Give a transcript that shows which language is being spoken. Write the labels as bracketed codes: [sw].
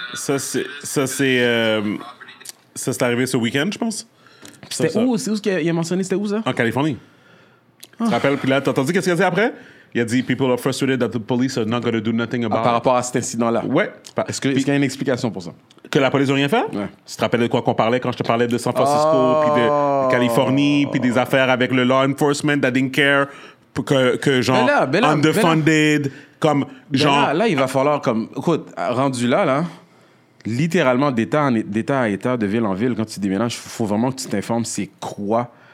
[fr] Ça c'est arrivé ce week-end, je pense. C'était ça. Où? C'est où qu'il a mentionné? C'était où ça? En Californie. Oh. Tu te rappelles? Puis là, t'as entendu qu'est-ce qu'il a dit après? Il a dit [en] « People are frustrated that the police are not going to do nothing about it. [fr] » Par rapport à cet incident-là. Ouais. Est-ce qu'il y a une explication pour ça? Que la police n'a rien fait? Ouais. Tu te rappelles de quoi qu'on parlait quand je te parlais de San Francisco, puis de Californie, puis des affaires avec le [en] law enforcement that didn't care, [fr] que genre ben là, underfunded, comme genre... Là, il va falloir comme... Écoute, rendu là, littéralement d'état à état, de ville en ville, quand tu déménages, il faut vraiment que tu t'informes c'est quoi...